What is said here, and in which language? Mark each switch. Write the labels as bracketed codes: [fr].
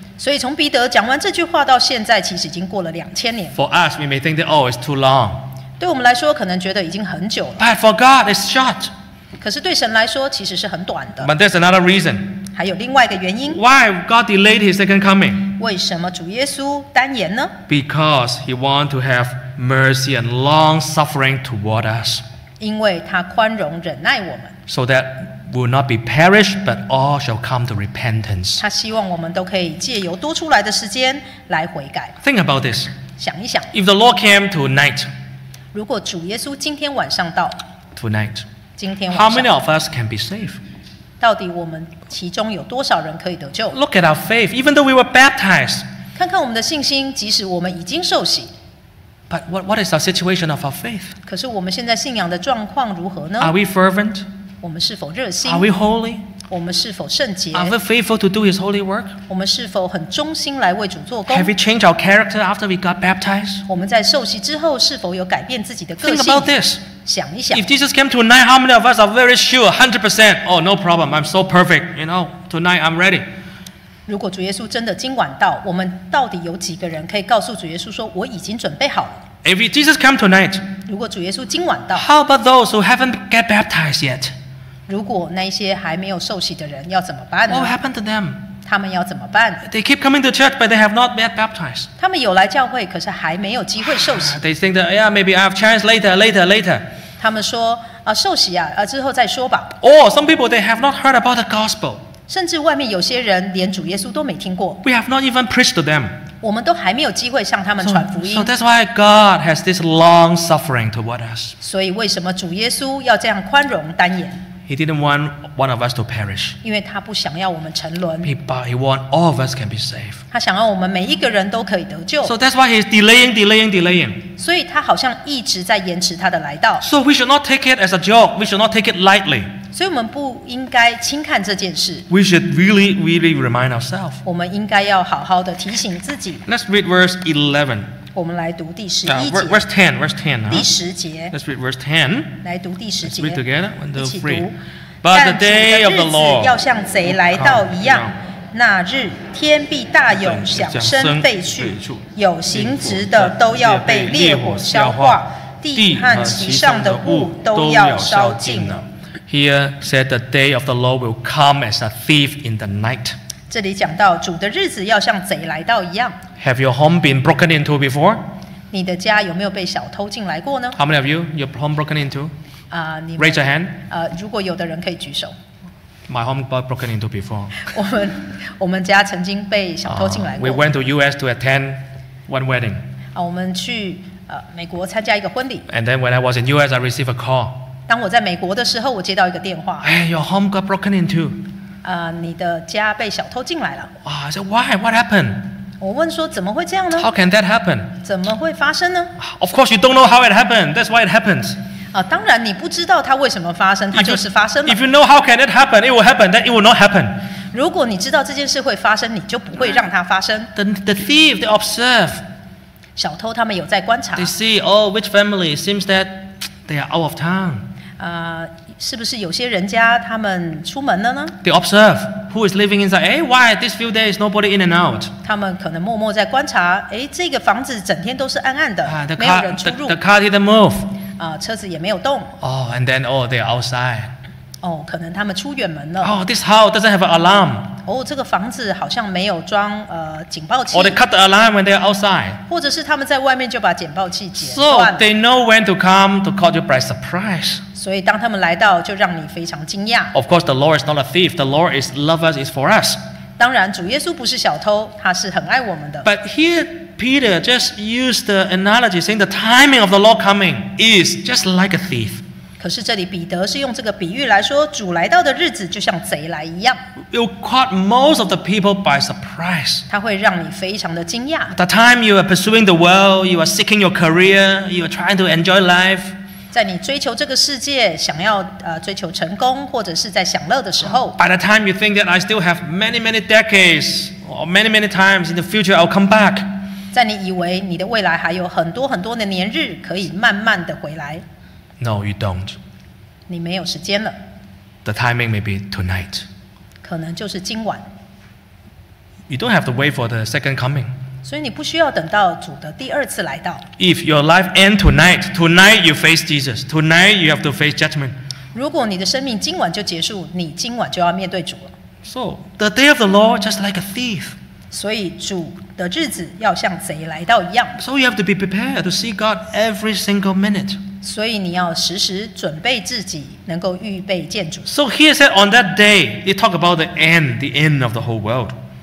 [zh] 所以从彼得讲完这句话到现在，其实已经过了2,000年。 [en] For us, we may think that it's too long. [zh] 对我们来说，可能觉得已经很久了。 [en] But for God, it's short. [zh] 可是对神来说，其实是很短的。 [en] But there's another reason. [zh] 还有另外一个原因。 [en] Why God delayed His second coming? [zh] 为什么主耶稣单言呢？ [en] Because He wants to have mercy and long suffering toward us. [zh] 因为他宽容忍耐我们。 [en] So that will not be perish, but all shall come to repentance. [zh] 他希望我们都可以借由多出来的时间来悔改。 [en] Think about this. [zh] 想一想。 [en] If the Lord came tonight. [zh] 如果主耶稣今天晚上到。 [en] Tonight. [zh] 今天晚上, [en] How many of us can be saved? [zh] 到底我们其中有多少人可以得救? [en] Look at our faith, even though we were baptized. [zh] 看看我们的信心，即使我们已经受洗。 [en] But what is our situation of our faith? [zh] 可是我们现在信仰的状况如何呢? [en] Are we fervent? [zh] 我们是否热心? [en] Are we holy? [zh] 我们是否圣洁？ [en] Are we faithful to do His holy work? [zh] 我们是否很忠心来为主做工？ [en] Have we changed our character after we got baptized? [zh] 我们在受洗之后是否有改变自己的个性？ [en] Think about this. [zh] 想一想。 [en] If Jesus came tonight, how many of us are very sure, 100%? Oh, no problem. I'm so perfect. You know, tonight I'm ready. [zh] 如果主耶稣真的今晚到，我们到底有几个人可以告诉主耶稣说我已经准备好了？ [en] If Jesus came tonight, [zh] 如果主耶稣今晚到， [en] how about those who haven't get baptized yet? [zh] 如果那些还没有受洗的人要怎么办呢？ [en] What happened to them? [zh] 他们要怎么办？ [en] They keep coming to church, but they have not yet baptized. [zh] 他们有来教会，可是还没有机会受洗。 [en] They think that, yeah, maybe I have chance later. [zh] 他们说，受洗啊，之后再说吧。 [en] Or some people, they have not heard about the gospel. [zh] 甚至外面有些人连主耶稣都没听过。 [en] We have not even preached to them. [zh] 我们都还没有机会向他们传福音。 [en] So that's why God has this long suffering toward us. [zh] 所以为什么主耶稣要这样宽容单言？ [en] He didn't want one of us to perish. [zh] 因为他不想要我们沉沦。 [en] But he want all of us can be saved. [zh] 他想要我们每一个人都可以得救。 [en] So that's why he's delaying. [zh] 所以他好像一直在延迟他的来到。 [en] So we should not take it as a joke. We should not take it lightly. [zh] 所以我们不应该轻看这件事。 [en] We should really, really remind ourselves. [zh] 我们应该要好好的提醒自己。 [en] Let's read verse 11. [zh] 我们来读第十一节。 [en] Verse 10. [zh] 第十节。 [en] Let's read verse 10. [zh] 来读第十节。 [en] Let's read together. 1, 2, 3. But the day of the Lord [zh] 要像贼来到一样。那日天必大有响声废去，有行直的都要被烈火消化，地和其上的物都要烧尽了。 [en] Here said the day of the Lord will come as a thief in the night. [zh] 这里讲到主的日子要像贼来到一样。 [en] Have your home been broken into before? [zh] 你的家有没有被小偷进来过呢？ [en] How many of you, your home broken into? Raise your hand. [zh] 如果有的人可以举手。 [en] My home got broken into before. [zh] 我们家曾经被小偷进来过。 [en] We went to US to attend one wedding. [zh] 我们去美国参加一个婚礼。 [en] And then when I was in US, I received a call. [zh] 当我在美国的时候，我接到一个电话。 [en] Hey, your home got broken into. [zh] 你的家被小偷进来了。 [en] Wow, I said, why? What happened? [zh] 我问说怎么会这样呢？ [en] How can that happen? [zh] 怎么会发生呢？ [en] Of course, you don't know how it happened. That's why it happens. [zh] 当然你不知道它为什么发生，它就是发生了。 [en] If you know how can it happen, it will happen. Then it will not happen. [zh] 如果你知道这件事会发生，你就不会让它发生。 [en] The thief, they observe. [zh] 小偷他们有在观察。 [en] They see, oh, which family seems that they are out of town. [zh] 是不是有些人家他们出门了呢？ [en] They observe who is living inside. Hey, why this few days nobody in and out? [zh] 他们可能默默在观察。哎，这个房子整天都是暗暗的， [en] the [zh] 没有人出入。 [en] The car didn't move. [zh] 车子也没有动。 [en] Oh, and then oh, they are outside. [zh] 可能他们出远门了。 [en] Oh, this house doesn't have an alarm. [zh] 这个房子好像没有装警报器。 [en] Or they cut the alarm when they are outside. [zh] 或者是他们在外面就把警报器剪断。 [en] So they know when to come to call you by surprise. [zh] 所以当他们来到，就让你非常惊讶。 [en] Of course, the Lord is not a thief. The Lord is love us is for us. [zh] 当然，主耶稣不是小偷，他是很爱我们的。 [en] But here, Peter just used the analogy, saying the timing of the Lord coming is just like a thief. [zh] 可是这里彼得是用这个比喻来说，主来到的日子就像贼来一样。 [en] You caught most of the people by surprise. [zh] 他会让你非常的惊讶。 [en] The time you are pursuing the world, you are seeking your career, you are trying to enjoy life. [zh] 在你追求这个世界，想要追求成功，或者是在享乐的时候。 [en] By the time you think that I still have many decades or many times in the future, I'll come back. [zh] 在你以为你的未来还有很多很多的年日可以慢慢的回来。 [en] No, you don't. [zh] 你没有时间了。 [en] The timing may be tonight. [zh] 可能就是今晚。 [en] You don't have to wait for the second coming. [zh] 所以你不需要等到主的第二次来到。 [en] If your life ends tonight, tonight you face Jesus. Tonight you have to face judgment. [zh] 如果你的生命今晚就结束，你今晚就要面对主了。 [en] So the day of the Lord just like a thief. [zh] 所以主的日子要像贼来到一样。 [en] So you have to be prepared to see God every single minute. [zh] 所以你要时时准备自己，能够预备见主。 [en] So he said on that day, he talked about the end of the whole world.